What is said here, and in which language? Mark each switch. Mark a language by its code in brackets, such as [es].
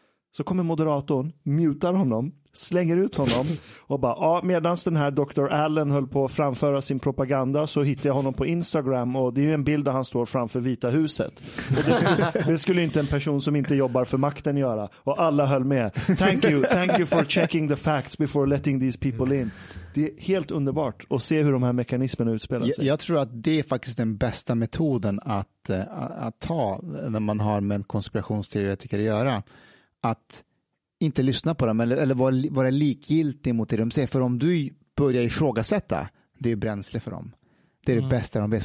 [sv] Så kommer moderatorn, mutar honom, slänger ut honom och bara ja, medans den här Dr. Allen höll på att framföra sin propaganda så hittade jag honom på Instagram och det är ju en bild där han står framför Vita huset. Och det skulle inte en person som inte jobbar för makten göra. Och alla höll med. [en] Thank you for checking the facts before letting these people in. [sv] Det är helt underbart att se hur de här mekanismerna utspelar sig. Jag tror att det är faktiskt den bästa metoden att ta när man har med konspirationsteoretiker att göra. Att inte lyssna på dem eller vara likgiltig mot det de säger. För om du börjar ifrågasätta, det är bränsle för dem. Det är det bästa de vet.